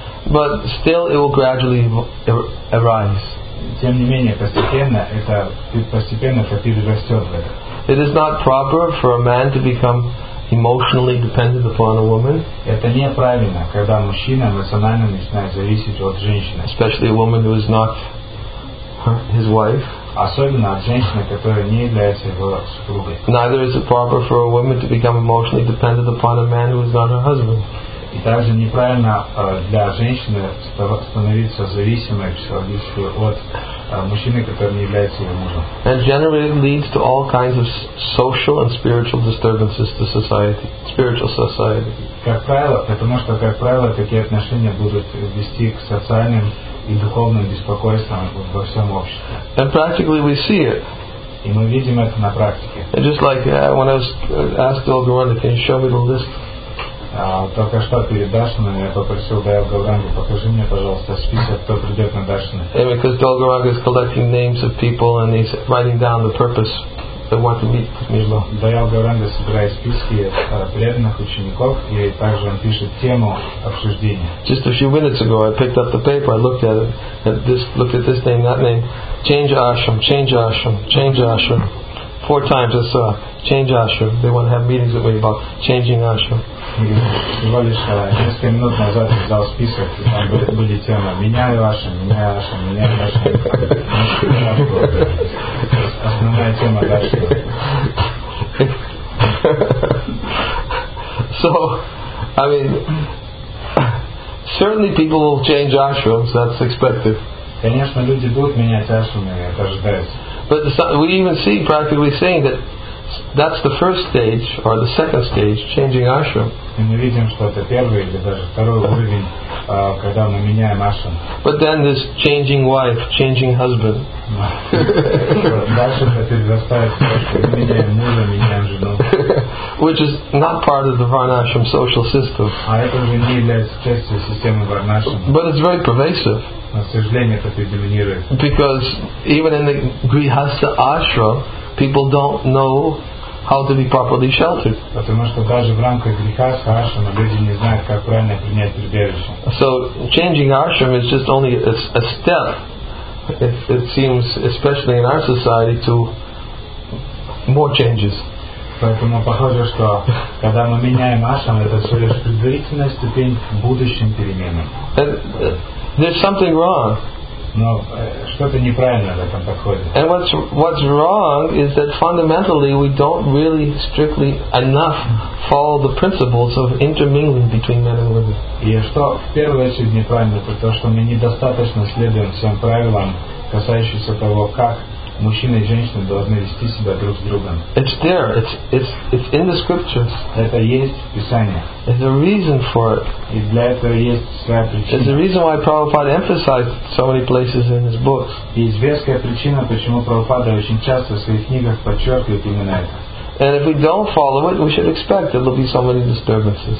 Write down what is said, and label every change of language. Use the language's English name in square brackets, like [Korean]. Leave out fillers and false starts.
[English] But still it will gradually arise. [Russian] Тем не менее, постепенно это перерастет в это. [English] It is not proper for a man to become emotionally dependent upon a woman. [Russian] Это неправильно, когда мужчина эмоционально начинает зависеть от женщины. [English] Especially a woman who is not his wife. [Russian] Особенно от женщины, которая не является его супругой. [English] Neither is it proper for a woman to become emotionally dependent upon a man who is not her husband. [Russian] И также неправильно для женщины становиться зависимой психологически от мужчины, который не является ее мужем. [English] And generally it leads to all kinds of social and spiritual disturbances to society, spiritual society. [Russian] Как правило, потому что, как правило, такие отношения будут вести к социальным и духовным беспокойством во всем обществе. [English] And practically we see it. [Russian] И мы видим это на практике. [English] And just like when I was asked Dale Gauranga, can you show me the list? [Russian] Только что перед Дашином я попросил Дайл Гаурангу, покажи мне, пожалуйста, список, кто придет на Дашина. [English] And because Dale Gauranga is collecting names of people and he's writing down the purpose they want to meet with Mishlo. [Russian] Дайл Гаурангу собирает списки преданных учеников и также он пишет тему обсуждения. [English] Just a few minutes ago I picked up the paper, I looked at it, looked at this name, that name. Change ashram, change ashram, change ashram. Four times I saw change ashram. They want to have meetings with me about changing ashram. [Russian] Всего лишь несколько минут назад я взял список, и там были темы меняю ашрам. Основная тема дальше. [English] So, I mean, certainly people will change ashrams, that's expected. [Russian] Конечно, люди будут менять ашрамы, это ожидается. [English] But we even see, practically seeing, that that's the first stage, or the second stage, changing ashram. [Russian] И мы видим, что это первый или даже второй уровень, когда мы меняем ашрам. [English] But then there's changing wife, changing husband. [Russian] Дальше хотели заставить меняем мужа, меняем жену. [English] Which is not part of the Varnashram social system. [Russian] А это уже не является частью системы Varnashram. [English] But it's very pervasive. [Russian] Но, к сожалению, это предоминирует. [English] Because even in the Grihastha ashram, people don't know how to be properly sheltered. [Russian] Потому что даже в рамках Грихастха ашрама люди не знают, как правильно принять прибежище. [English] So changing ashram is just only a step. It seems, especially in our society, to more changes. [Russian] Поэтому похоже, что когда мы меняем ашрам, это всего лишь предварительная ступень к будущим переменам. [English] There's something wrong. [Russian] Но что-то неправильно в этом подходе. [English] And what's wrong is that fundamentally we don't really strictly enough follow the principles of intermingling between men and women. [Russian] И что в первую очередь неправильно, потому что мы недостаточно следуем всем правилам, касающимся того, как мужчина и женщина должны вести себя друг с другом. [English] It's there. It's in the scriptures. [Russian] Это есть в Писании. [English] There's a reason for it. [Russian] И для этого есть своя причина. [English] There's a reason why Prabhupada emphasized so many places in his books. [Russian] И есть веская причина, почему Прабхупада очень часто в своих книгах подчеркивает именно это. [English] And if we don't follow it, we should expect that there'll be so many disturbances.